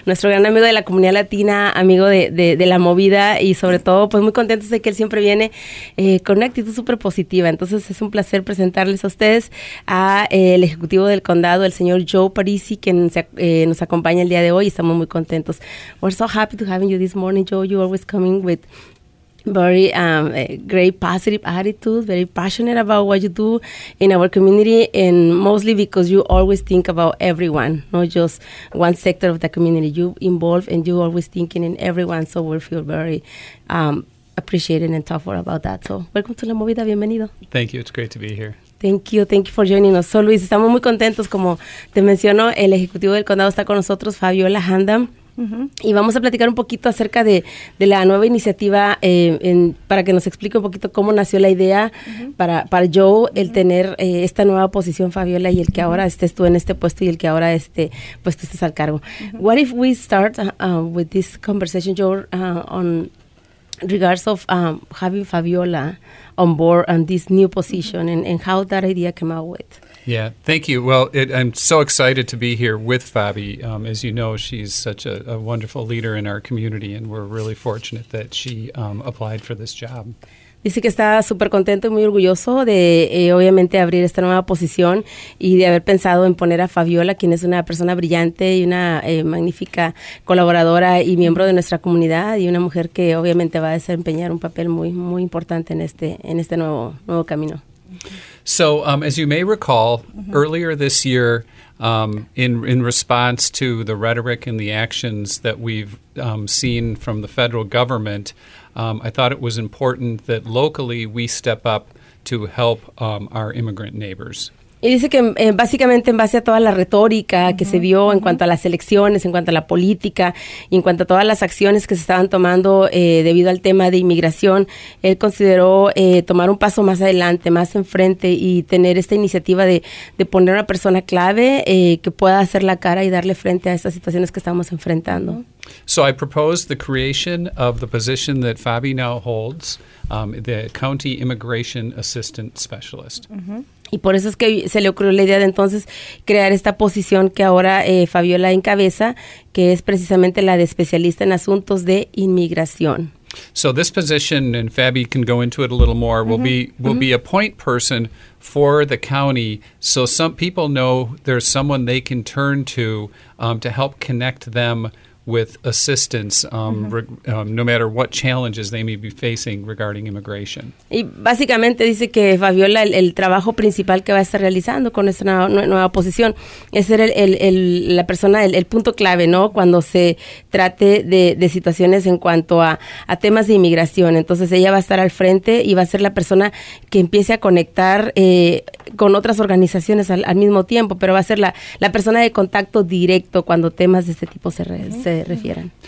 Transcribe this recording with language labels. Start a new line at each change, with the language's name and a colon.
Spanish: Nuestro gran amigo de la comunidad latina, amigo de la movida y sobre todo, pues muy contentos de que él siempre viene con una actitud súper positiva. Entonces es un placer presentarles a ustedes a el Ejecutivo del Condado, el señor Joe Parisi, quien nos acompaña el día de hoy. Estamos muy contentos.
English: We're so happy to have you this morning, Joe. You're always coming with very great positive attitude, very passionate about what you do in our community, and mostly because you always think about everyone, not just one sector of the community. You involved and you always thinking in everyone, so we feel very appreciated and thankful about that. So welcome to La Movida,
Spanish: bienvenido.
English: Thank you, it's great to be here. Thank you for joining us.
Spanish: So Luis, estamos muy contentos, como te menciono, el Ejecutivo del Condado está con nosotros, Fabiola Handam. Y vamos a platicar un poquito acerca de la nueva iniciativa para que nos explique un poquito cómo nació la idea para Joe el tener esta nueva posición, Fabiola, y el que ahora estés tú en este puesto y el que ahora pues tú estés al cargo.
English: What if we start with this conversation, Joe, on regards of having Fabiola on board on this new position and how that idea came out with? Yeah, thank you. Well, I'm so excited to be here with Fabi. As you know, she's such a wonderful leader in our community, and we're really fortunate that she applied for this job.
Spanish: Dice que está súper contento y muy orgulloso de, obviamente, abrir esta nueva posición y de haber pensado en poner a Fabiola, quien es una persona brillante y una magnífica colaboradora y miembro de nuestra comunidad y una mujer que, obviamente, va a desempeñar un papel muy, muy importante en este nuevo camino.
English: So, as you may recall, earlier this year, in response to the rhetoric and the actions that we've seen from the federal government, I thought it was important that locally we step up to help our immigrant neighbors.
Spanish: Y dice que básicamente en base a toda la retórica que se vio en cuanto a las elecciones, en cuanto a la política y en cuanto a todas las acciones que se estaban tomando debido al tema de inmigración, él consideró tomar un paso más adelante, más enfrente y tener esta iniciativa de poner una persona clave que pueda hacer la cara y darle frente a estas situaciones que estamos enfrentando.
English: So I proposed the creation of the position that Fabi now holds, the County Immigration Assistant Specialist.
Spanish: Mm-hmm. Y por eso es que se le ocurrió la idea de entonces crear esta posición que ahora Fabiola encabeza, que es precisamente la de especialista en asuntos de inmigración.
English: So this position, and Fabi can go into it a little more, will be a point person for the county, so some people know there's someone they can turn to help connect them with assistance, no matter what challenges they may be facing regarding immigration.
Spanish: Y básicamente dice que Fabiola el trabajo principal que va a estar realizando con esta nueva posición es ser la persona, el punto clave, ¿no? Cuando se trate de situaciones en cuanto a temas de inmigración. Entonces ella va a estar al frente y va a ser la persona que empiece a conectar con otras organizaciones al mismo tiempo, pero va a ser la persona de contacto directo cuando temas de este tipo se refieran.